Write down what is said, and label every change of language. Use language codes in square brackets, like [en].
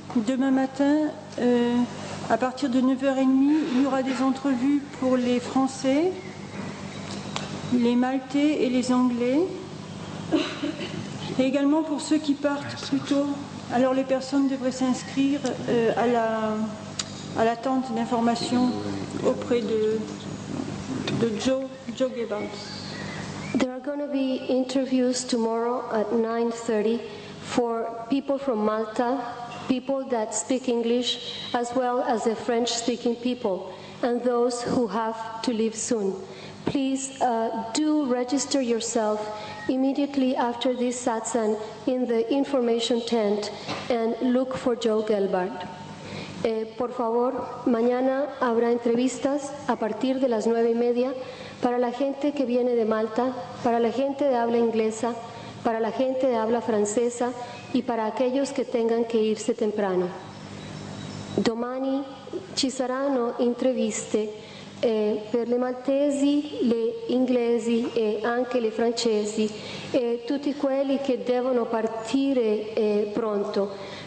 [fr] Demain matin, à partir de 9h30, il y aura des entrevues pour les Français, les Maltais et les Anglais. Et également pour ceux qui partent plus tôt, alors les personnes devraient s'inscrire à la tente d'information auprès de Joe Gebhardt. [en] There are going to be interviews tomorrow at 9:30 for people from Malta, people that speak English, as well as the French-speaking people, and those who have to leave soon. Please do register yourself immediately after this satsang in the information tent and look for Joe Gelbart. [es] Por favor, mañana habrá entrevistas a partir de las 9:30 para la gente que viene de Malta, para la gente de habla inglesa, para la gente de habla francesa y para aquellos que tengan que irse temprano. [it] Domani ci saranno interviste per le maltesi, le inglesi e anche le francesi e tutti quelli che devono partire pronto.